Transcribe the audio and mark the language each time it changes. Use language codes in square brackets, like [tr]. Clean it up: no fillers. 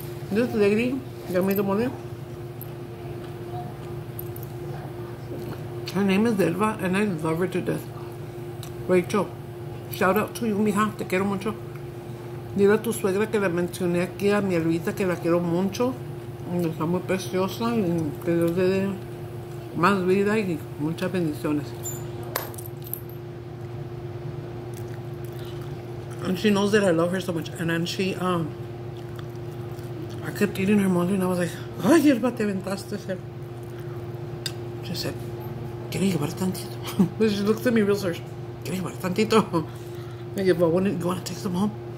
[en] This lady got me the mole. Her name is Elva, and I love her to death. Rachel, shout out to you, mija. [es] Te quiero mucho. Dile a tu suegra que la mencioné aquí a mi Elvita, que la quiero mucho. Está muy preciosa. Y que Dios le dé más vida y muchas bendiciones. [en] And she knows that I love her so much. And then she, I kept eating her mole and I was like, [es] ay, Elba, te aventaste. [en] She said, [es] ¿quiere llevar tantito? [en] She looked at me real serious. [es] ¿Quiere llevar tantito? [en] I said, well, wouldn't you want to take some home?